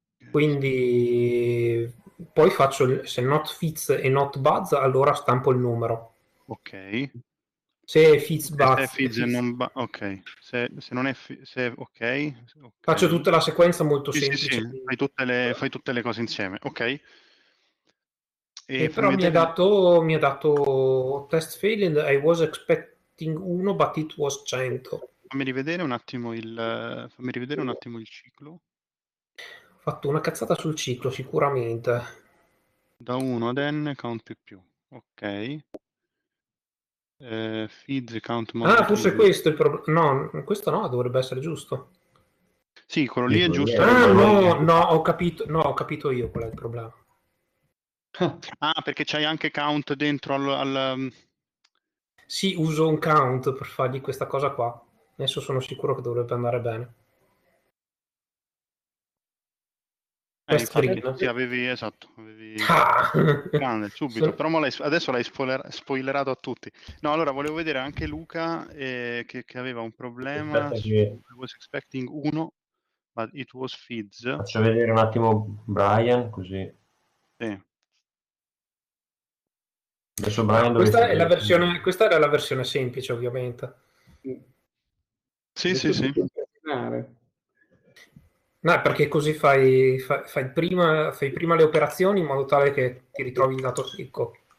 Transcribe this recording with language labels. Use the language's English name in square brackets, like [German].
[Italian] Quindi, poi faccio, se [English] not fizz [Italian] e [English] not buzz, [Italian] allora stampo il numero. Ok. Se è fizz, buzz. Se è fizz e non buzz, ok. Se non è fizz, ok. Faccio tutta la sequenza molto semplice. Sì, sì, fai tutte le cose insieme, ok. E però mi ha dato [English] test failing, I was expecting 1 but it was 100. [Italian] Fammi rivedere un attimo il ciclo. Ho fatto una cazzata sul ciclo sicuramente. Da 1 ad n count più più. Ok. Feeds count more. Ah, forse questo è il problema. No, questo no, dovrebbe essere giusto. Sì, quello lì è giusto. Ah, no, no, ho capito. No, ho capito io qual è il problema. Ah, perché c'hai anche count dentro al sì, uso un count per fargli questa cosa qua. Adesso sono sicuro che dovrebbe andare bene. Sì, avevi, esatto. Avevi... Ah! Grande, subito. Sì. Però adesso l'hai spoilerato a tutti. No, allora, volevo vedere anche Luca che aveva un problema. Aspetta, [English] I was expecting 1, but it was feeds. [Italian] Faccio vedere un attimo Brian, così. Sì. Questa era la versione semplice, ovviamente. Sì, sì, sì. No, perché così fai prima le operazioni in modo tale che ti ritrovi il dato secco.